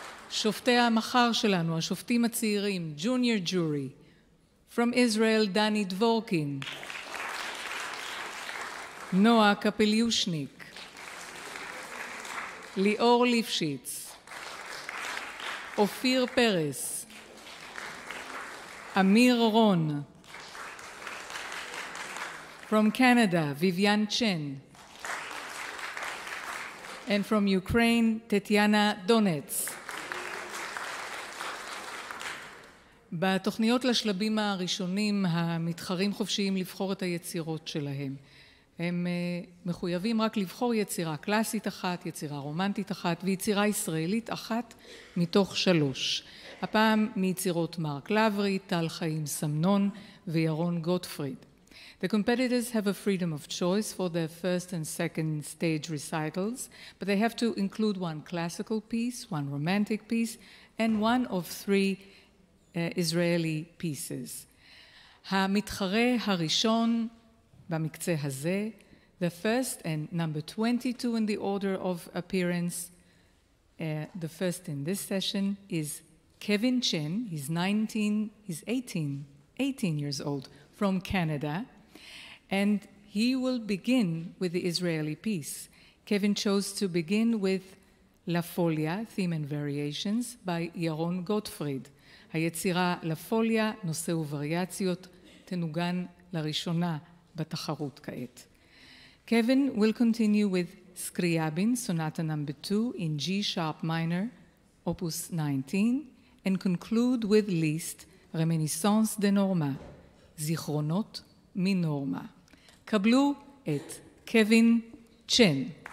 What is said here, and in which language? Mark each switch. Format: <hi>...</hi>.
<he>שופטי המחר שלנו, השופטים הצעירים, ג'וניור ג'ורי.</he> <en>From Israel, דני דבורקין.</en> <he>נועה קפליושניק. ליאור ליפשיץ. אופיר פרס. אמיר רון.</he> <en>From Canada, ויויאן צ'ן. And from Ukraine, טטיאנה דונץ.</en> <he>בתוכניות לשלבים הראשונים, המתחרים חופשיים לבחור את היצירות שלהם. הם מחויבים רק לבחור יצירה קלאסית אחת, יצירה רומנטית אחת ויצירה ישראלית אחת מתוך שלוש. הפעם מיצירות מרק לברי, טל חיים סמנון וירון גוטפריד.</he> <en>The competitors have a freedom of choice for their first and second stage recitals, but they have to include one classical piece, one romantic piece, and one of three Israeli pieces.</en> <he>המתחרה הראשון במקצה הזה,</he> <en>the first and number 22 in the order of appearance, the first in this session is Kevin Chen. He's 18 years old from Canada, and he will begin with the Israeli piece. Kevin chose to begin with La Folia, Theme and Variations by Yaron Gottfried.</en> <he>היצירה לפוליה, נושא ווריאציות, תנוגן לראשונה בתחרות כעת.</he> <en>Kevin will continue with Scriabin, Sonata number 2 in G sharp minor, opus 19, and conclude with Liszt, Reminiscence de Norma,</en> <he>זיכרונות מנורמה. קבלו את Kevin Chen.</he>